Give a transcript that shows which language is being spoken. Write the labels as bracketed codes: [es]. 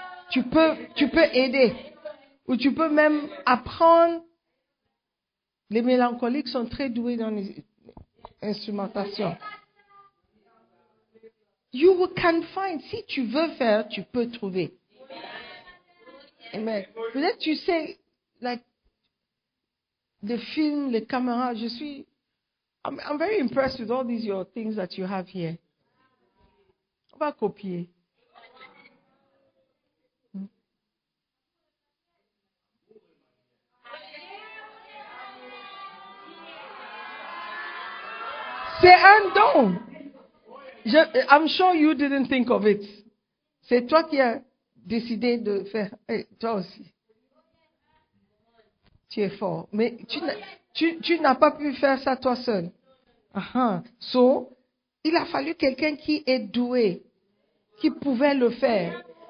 [fr] Tu peux aider. Ou tu peux même apprendre. Les mélancoliques sont très doués dans les instrumentations. [en] You can find. [fr] Si tu veux faire, tu peux trouver. Amen. Peut-être tu sais, [en] like, the film, [fr] les caméras, [en] I'm very impressed with all these your things that you have here. [fr] On va copier. C'est un don. [en] I'm sure you didn't think of it. [fr] C'est toi qui as décidé de faire. Hey, toi aussi. Tu es fort. Mais tu n'as pas pu faire ça toi seul. So, il a fallu quelqu'un qui est doué, qui pouvait le faire.